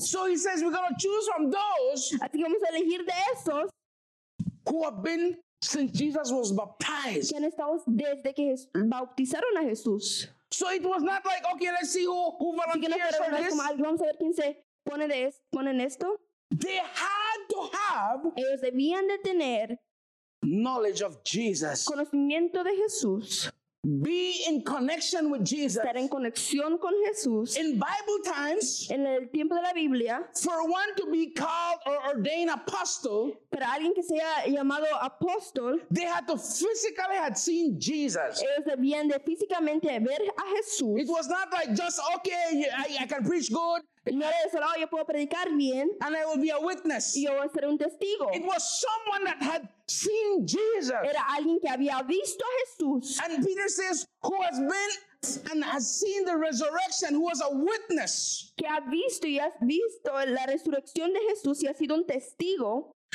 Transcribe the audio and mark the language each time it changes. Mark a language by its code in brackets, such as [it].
[en] So he says we're going to choose from those, [es] así que vamos a elegir de esos, [en] who have been since Jesus was baptized. [es] Que han estado desde que bautizaron a Jesús. [en] So it was not like, okay, let's see who volunteers for this. [es] Vamos a ver quién se pone de esto. [en] They had to have, [es] ellos debían de tener, [en] knowledge of Jesus, [es] conocimiento de Jesús, [en] be in connection with Jesus, [es] estar en conexión con Jesús, [en] in Bible times, [es] en el tiempo de la Biblia, [en] for one to be called or ordained apostle, [es] para alguien que sea llamado apóstol, [en] they had to physically had seen Jesus. [es] Ellos debían de físicamente ver a Jesús. [en] It was not like just, okay, I can preach good. [es] No era eso, yo puedo predicar bien. [en] And I will be a witness. [es] Y yo voy a ser un testigo. [en] It was someone that had seen Jesus. [es] Era alguien que había visto a Jesús. [en] And Peter says, who has been and has seen the resurrection, who was a witness. [es] Que ha visto y has visto la resurrección de Jesús y ha sido un testigo.